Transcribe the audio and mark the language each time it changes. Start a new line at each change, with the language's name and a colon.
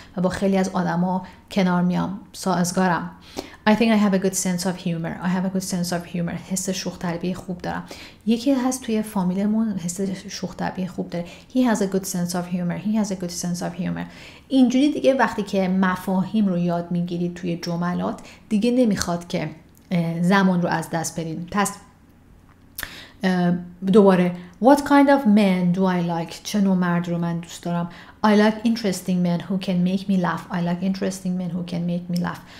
Persian: و با خیلی از آدما کنار میام، سازگارم.
English: I think I have a good sense of humor.
Persian: حس شوخ طبعی خوب دارم. یکی هست توی فامیلمون حس شوخ طبعی خوب داره.
English: He has a good sense of humor.
Persian: اینجوری دیگه وقتی که مفاهیم رو یاد میگیرید توی جملات، دیگه نمیخواد که زمان رو از دست بدین. پس دوباره،
English: What kind of men do I like؟
Persian: چه نوع مرد رو من دوست دارم؟
English: I like interesting men who can make me laugh.